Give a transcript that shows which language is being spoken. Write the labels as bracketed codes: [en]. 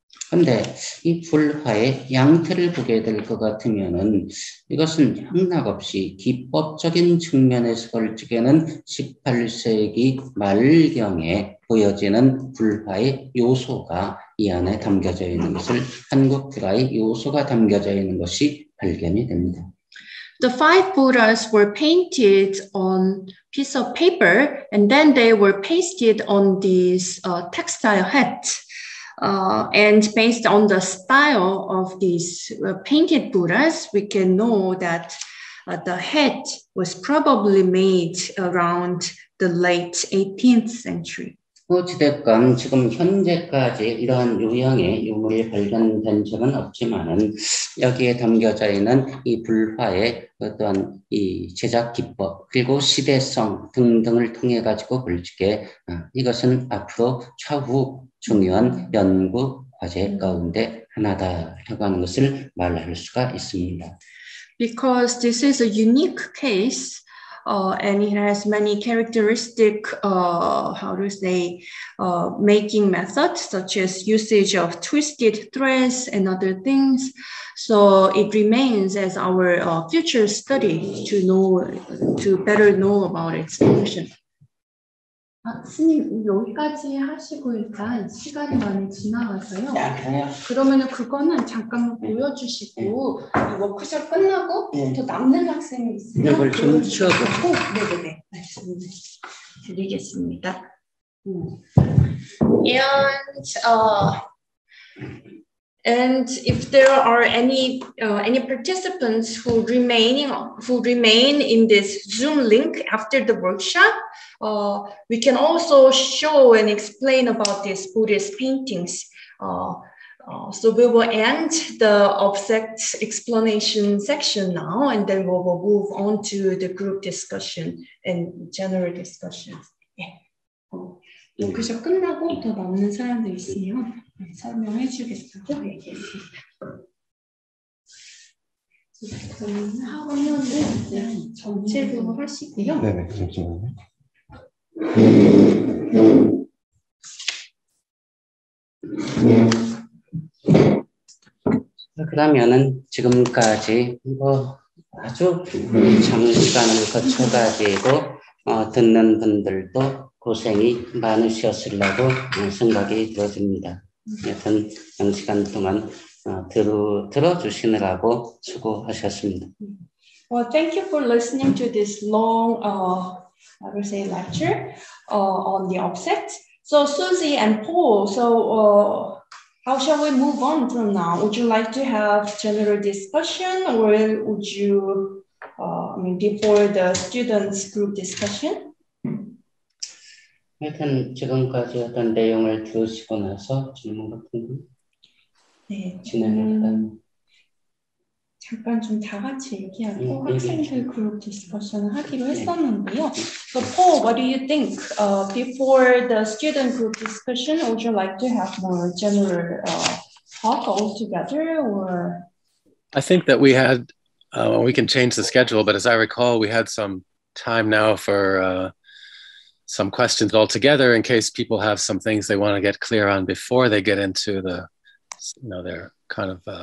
[ko] 그런데 이 불화의 양태를 보게 될 것 같으면은 이것은 향락 없이 기법적인 측면에서 볼 적에는 18세기 말경에 보여지는 불화의 요소가 이 안에 담겨져 있는 것을 한국 불화의 요소가 담겨져 있는 것이 발견이 됩니다. [en] The five Buddhas were painted on a piece of paper and then they were pasted on these textile hats. And based on the style of these painted Buddhas, we can know that the hat was probably made around the late 18th century. [ko] 호치대감 지금 현재까지 이러한 유형의 유물이 발견된 적은 없지만은 여기에 담겨져 있는 이 불화의 어떤 이 제작 기법 그리고 시대성 등등을 통해 가지고 볼 적에 이것은 앞으로 차후 중요한 연구 과제 가운데 하나다라고 하는 것을 말할 수가 있습니다. [en] Because this is a unique case. And it has many characteristic, making methods, such as usage of twisted threads and other things. So it remains as our future study to know, to better know about its function. [ko] 아, 스님 여기까지 하시고 일단 시간이 많이 지나가서요. 네, 아니요. 그러면은 그거는 잠깐 보여주시고 네. 워크숍 끝나고 네. 또 남는 학생이 있으면 그걸 좀 치워서 네네네 말씀을 드리겠습니다. [en] And and if there are any participants who remain in this Zoom link after the workshop. We can also show and explain about these Buddhist paintings. So we will end the object explanation section now, and then we will move on to the group discussion and general discussion. Yeah. [ko] 여기서 끝나고 더 남는 사람들 있으면 설명해 주겠다고 얘기했습니다. 정리하고 하면 정체도 하시고요. 네, 네. 그러면은 지금까지 뭐 아주 장시간을 거쳐가지고 듣는 분들도 고생이 많으셨으려고 생각이 들어집니다. 여튼 장시간 동안 들어주시느라고 수고하셨습니다. [en] Well, thank you for listening to this long. I will say lecture on the object. So Susie and Paul, so how shall we move on from now? Would you like to have general discussion or would you, before the students group discussion? [ko] 하여튼 지금까지 어떤 내용을 들으시고 나서 질문 같은 거 진행을 잠깐 좀 다 같이 얘기하고 학생들 그룹 디스커션 하기로 했었는데요. [en] So Paul, what do you think? Before the student group discussion, would you like to have more general talk all together? Or I think that we had we can change the schedule, but as I recall, we had some time now for some questions all together in case people have some things they want to get clear on before they get into the their kind of.